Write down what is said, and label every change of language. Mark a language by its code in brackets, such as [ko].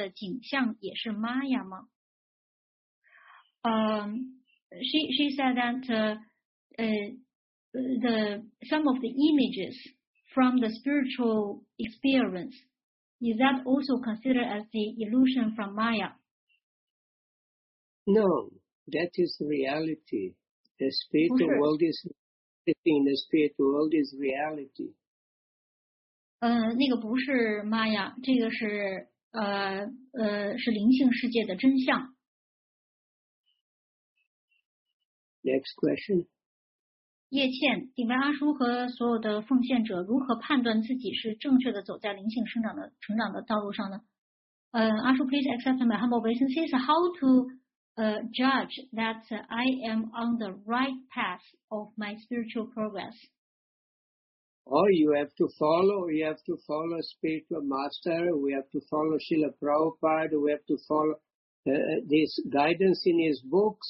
[zh] Lan妹子，顶拜阿叔，灵性体验出现的景象也是玛雅吗？ [en] She said that some of the images from the spiritual experience is that also considered as the illusion from Maya? No, that is reality. The spiritual world is. Everything in the spiritual world is reality. [zh] 那个不是玛雅，这个是灵性世界的真相。 [en] Next question. [zh] 叶倩，你们阿叔和所有的奉献者如何判断自己是正确的走在灵性成长的道路上呢？ [en] Ashu, please accept my humble obeisances. How to judge that I am on the right path of my spiritual progress? Oh, you have to follow. You have to follow spiritual master. We have to follow Srila Prabhupada. We have to follow this guidance in his books.